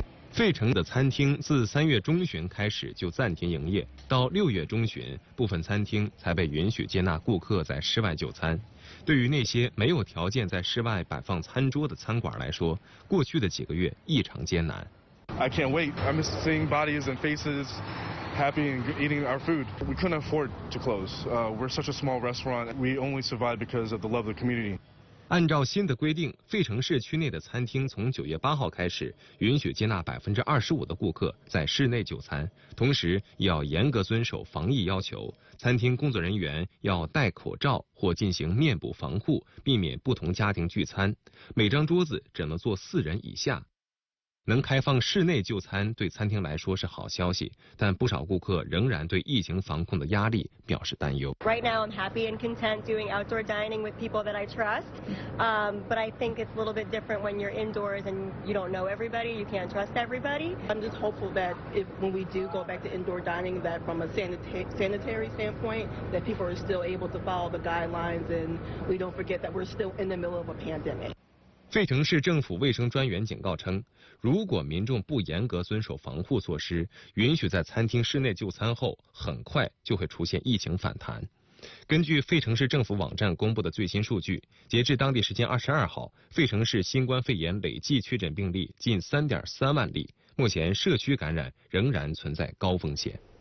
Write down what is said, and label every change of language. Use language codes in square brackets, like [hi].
[zh] 费城的餐厅自3月中旬开始就暂停营业，到6月中旬部分餐厅才被允许接纳顾客在室外就餐。对于那些没有条件在室外摆放餐桌的餐馆来说，过去的几个月异常艰难。 [en] I can't wait. I'm seeing bodies and faces, happy and eating our food. We couldn't afford to close. We're such a small restaurant. We only survive because of the love of the community. [zh] 按照新的规定，费城市区内的餐厅从9月8号开始允许接纳25%的顾客在室内就餐，同时要严格遵守防疫要求。餐厅工作人员要戴口罩或进行面部防护，避免不同家庭聚餐。每张桌子只能坐4人以下。能开放室内就餐对餐厅来说是好消息，但不少顾客仍然对疫情防控的压力表示担忧。 [en] Right now I'm happy and content doing outdoor dining with people that I trust, but I think it's a little bit different when you're indoors and you don't know everybody, you can't trust everybody. I'm just hopeful that if when we do go back to indoor dining, that from a sanitary standpoint, that people are still able to follow the guidelines and we don't forget that we're still in the middle of a pandemic. [zh] 费城市政府卫生专员警告称，如果民众不严格遵守防护措施，允许在餐厅室内就餐后，很快就会出现疫情反弹。根据费城市政府网站公布的最新数据，截至当地时间22号，费城市新冠肺炎累计确诊病例近3.3万例，目前社区感染仍然存在高风险。